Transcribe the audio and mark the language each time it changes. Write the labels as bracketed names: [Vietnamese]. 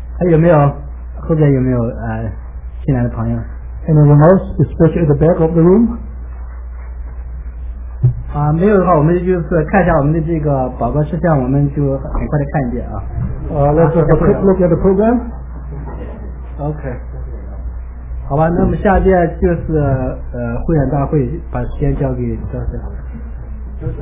[Chinese] 有没有后边有没有进来的朋友 [English] Anyone else, especially at the back of the room? [Chinese] 没有的话，我们就是看一下我们的这个宝宝事项，我们就很快的看一遍啊。 [English] Let's have a quick look at the program. Okay. [Chinese] 好吧，那么下面就是会员大会，把时间交给教授。